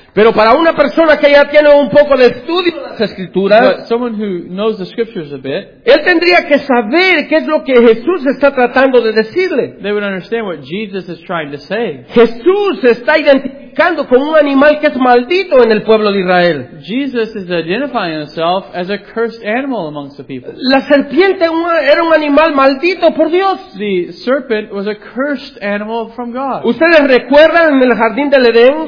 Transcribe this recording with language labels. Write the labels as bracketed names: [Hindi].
[Spanish] Pero para una persona que ya tiene un poco de estudio de las Escrituras, [English] but someone who knows the Scriptures a bit, [Spanish] él tendría que saber qué es lo que Jesús está tratando de decirle. [English] They would understand what Jesus is trying to say. [Spanish] Jesús está identificando con un animal que es maldito en el pueblo de Israel. [English] Jesus is identifying himself as a cursed animal amongst the people. [Spanish] La serpiente era un animal maldito por Dios. [English] The serpent was a cursed animal from God. [Spanish] ¿Ustedes recuerdan en el jardín del Edén?